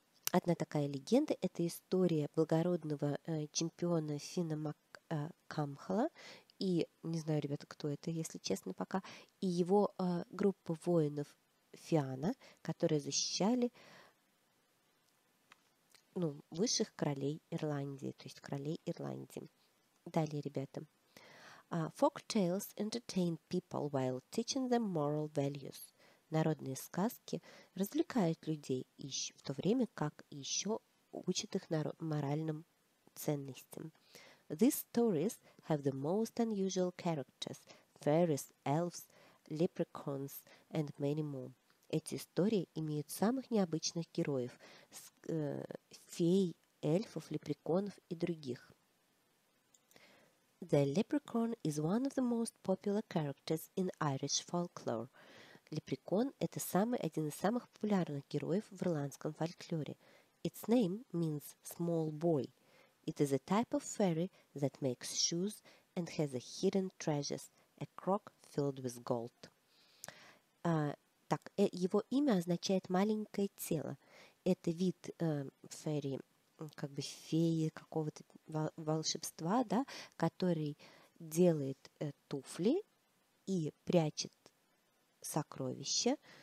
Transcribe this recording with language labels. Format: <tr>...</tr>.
<ru>Одна такая легенда – это история благородного чемпиона Финна Маккамхала и, не знаю, ребята, кто это, если честно, пока, и его группа воинов Фианна, которые защищали, ну, высших королей Ирландии, то есть королей Ирландии. Далее, ребята.</ru> <en>Folk tales entertain people while teaching them moral values.</en> <ru>Народные сказки развлекают людей еще, в то время, как еще учат их моральным ценностям.</ru> <en>These stories have the most unusual characters – fairies, elves, leprechauns and many more.</en> <ru>Эти истории имеют самых необычных героев – фей, эльфов, лепреконов и других.</ru> <en>The leprechaun is one of the most popular characters in Irish folklore.</en> <ru>Лепрекон – это один из самых популярных героев в ирландском фольклоре.</ru> <en>Its name means small boy. It is a type of fairy that makes shoes and has a hidden treasures, a crock filled with gold.</en> <ru>Его имя означает «маленькое тело». Это вид fairy, как бы феи какого-то волшебства, да, который делает туфли и прячет сокровища.</ru>